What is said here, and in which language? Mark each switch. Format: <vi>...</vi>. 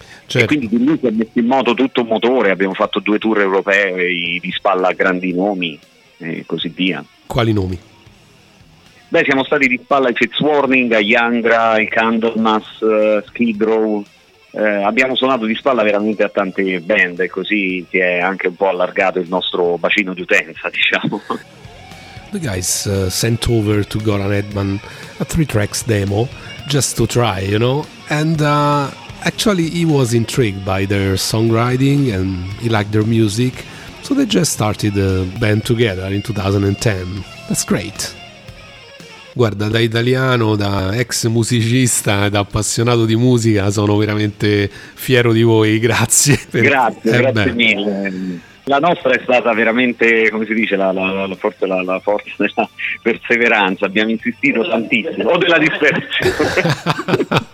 <it>Certo. E quindi di lui si è messo in moto tutto un motore, abbiamo fatto due tour europei di spalla a grandi nomi e così via. Quali nomi? Beh, siamo stati di spalla ai Fitzwarning, a Yangra, ai Candlemass, Skid Row, Abbiamo suonato di spalla veramente a tante band, e così si è anche un po' allargato il nostro bacino di utenza, diciamo.</it> <en>The guys sent over to Goran Edman a 3-tracks demo just to try, you know, and actually he was intrigued by their songwriting and he liked their music, so they just started the band together in 2010. That's great.</en> <it>Guarda, da italiano, da ex musicista, da appassionato di musica, sono veramente fiero di voi, grazie. Per... Grazie mille. La nostra è stata veramente, come si dice, la forza della perseveranza, abbiamo insistito tantissimo, o della disperazione.</it>